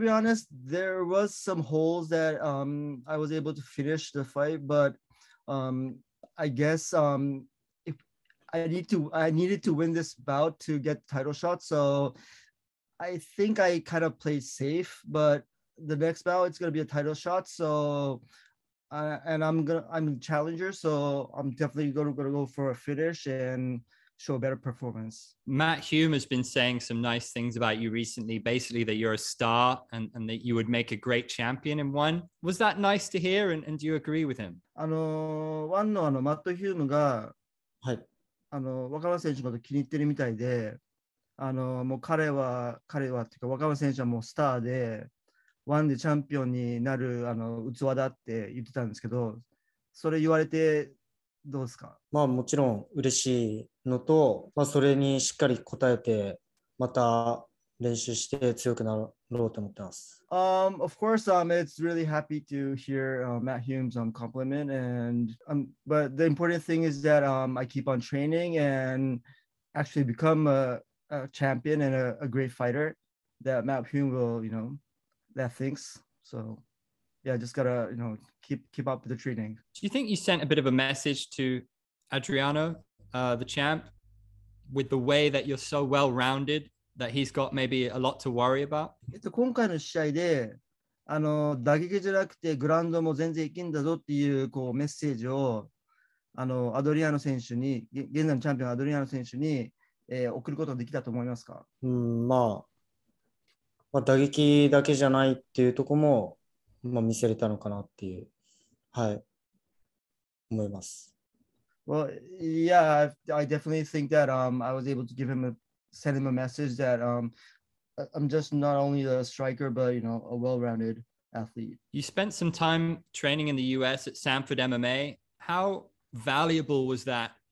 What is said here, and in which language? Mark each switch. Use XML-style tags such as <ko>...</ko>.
<en>be honest, there was some holes that I was able to finish the fight, but I guess I needed to win this bout to get title shot, so I think I kind of played safe, but the next bout it's going to be a title shot, so I'm a challenger, so I'm definitely going to go for a finish and show a better performance. Matt Hume has been saying some nice things about you recently, basically that you're a star and that you would make a great champion in one. Was that nice to hear, and do you agree with him?</en> <ja>Matt Hume が若松選手のこと気に入ってるみたいで、もう彼はっていうか若松選手はもうスターで、ワンでチャンピオンになる器だって言ってたんですけど、それ言われてどうですか？まあもちろん嬉しいのと、まあそれにしっかり応えて、また練習して強くなろうと思ってます。</ja> <en>Of course, it's really happy to hear Matt Hume's compliment, and but the important thing is that I keep on training and actually become a champion and a great fighter that Matt Hume will, you know. That thinks so, yeah. Just gotta, you know, keep up with the training. Do you think you sent a bit of a message to Adriano, the champ, with the way that you're so well rounded that he's got maybe a lot to worry about?</en> <ja>今回の試合で、打撃じゃなくてグラウンドも全然いけんだぞっていうこうメッセージを、アドリアノ選手に現在のチャンピオンアドリアノ選手に、送ることができたと思いますか？まあ。まあ、打撃だけじゃないっていうところも、まあ、見せれたのかなっていう、はい、思います。</ja> <en>Well, yeah, I definitely think that I was able to give him send him a message that I'm just not only a striker, but you know, a well-rounded athlete. You spent some time training in the US at Sanford MMA. How valuable was that</en>